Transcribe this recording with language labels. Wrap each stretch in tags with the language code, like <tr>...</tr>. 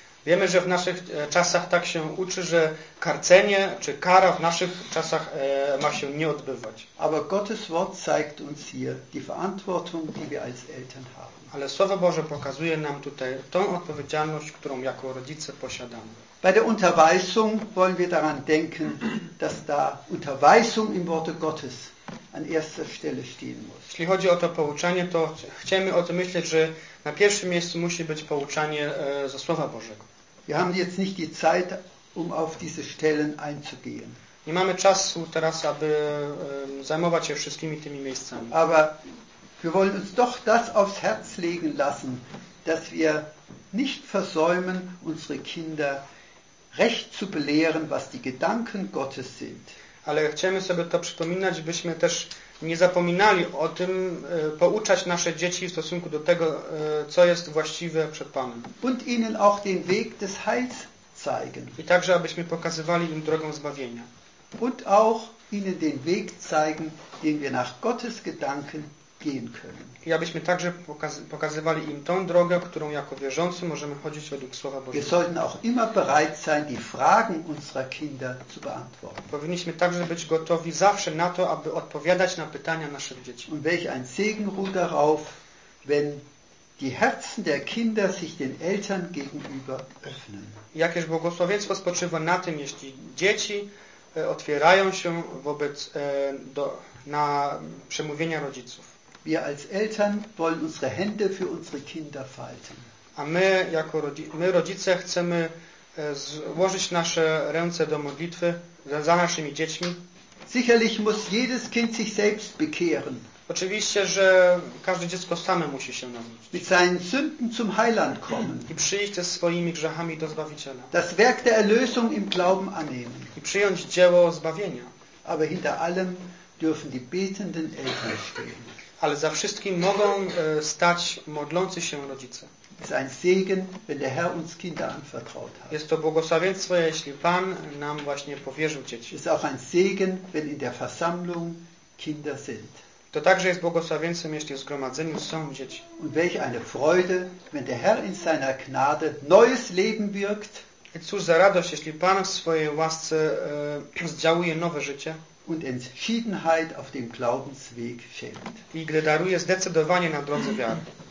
<pl>Wiemy, że w naszych czasach tak się uczy, że karcenie czy kara w naszych czasach ma się nie odbywać.</pl> <de>Aber Gottes Wort zeigt uns hier die Verantwortung, die wir als Eltern haben.</de> <pl>Ale Słowo Boże pokazuje nam tutaj tą odpowiedzialność, którą jako rodzice posiadamy.</pl> <de>Bei der Unterweisung wollen wir daran denken, dass da Unterweisung im Worte Gottes an erster Stelle stehen muss.</de> <pl>Jeśli chodzi o to pouczanie, to chcemy o tym myśleć, że na pierwszym miejscu musi być pouczanie ze Słowa Bożego.</pl> <de>Wir haben jetzt nicht die Zeit, um auf diese Stellen einzugehen.</de> <pl>Nie mamy czasu teraz, aby zajmować się wszystkimi tymi miejscami.</pl> <de>Aber wir wollen uns doch das aufs Herz legen lassen, dass wir nicht versäumen, unsere Kinder recht zu belehren, was die Gedanken Gottes sind.</de> <pl>Ale chcemy sobie to przypominać, byśmy też nie zapominali o tym, pouczać nasze dzieci w stosunku do tego, co jest właściwe przed Panem.</pl> <de>Und ihnen auch den Weg des Heils zeigen.</de> <pl>I także, abyśmy pokazywali im drogę zbawienia.</pl> <de>Und auch ihnen den Weg zeigen, den wir nach Gottes Gedanken gehen können.</de> <pl>I abyśmy także pokazywali im tą drogę, którą jako wierzący możemy chodzić według Słowa Bożego.</pl> <de>Wir sollten auch immer bereit sein, die Fragen unserer Kinder zu beantworten.</de> <pl>Powinniśmy także być gotowi zawsze na to, aby odpowiadać na pytania naszych dzieci.</pl> <de>Und welch ein Segen ruht darauf, wenn die Herzen der Kinder sich den Eltern gegenüber öffnen.</de> <pl>Jakież błogosławieństwo spoczywa na tym, jeśli dzieci otwierają się wobec na przemówienia rodziców.</pl> <de>Wir als Eltern wollen unsere Hände für unsere Kinder falten.</de> <pl>A my jako my rodzice chcemy złożyć nasze ręce do modlitwy za naszymi dziećmi.</pl> <de>Sicherlich muss jedes Kind sich selbst bekehren.</de> <pl>Oczywiście, że każde dziecko same musi się nawrócić.</pl> <de>Mit seinen Sünden zum Heiland kommen.</de> <pl>I przyjść ze swoimi grzechami do Zbawiciela.</pl> <de>Das Werk der Erlösung im Glauben annehmen.</de> <pl>I przyjąć dzieło zbawienia.</pl> <de>Aber hinter allem dürfen die betenden Eltern stehen.</de> <pl>Ale za wszystkim mogą stać modlący się rodzice.</pl> <de>Ist ein Segen, wenn der Herr uns Kinder anvertraut hat.</de> <pl>Jest to błogosławieństwo, jeśli Pan nam właśnie powierzył dzieci.</pl> <de>Ist auch ein Segen, wenn in der Versammlung Kinder sind.</de> <pl>To także jest błogosławieństwem, jeśli w zgromadzeniu są dzieci.</pl> <de>Und welch eine Freude, wenn der Herr in seiner Gnade neues Leben wirkt.</de> <pl>I cóż za radość, jeśli Pan w swojej łasce zdziałuje nowe życie.</pl> <de>Und Entschiedenheit auf dem Glaubensweg schenkt.</de> <pl>I gdy daruje zdecydowanie na drodze wiary.</pl>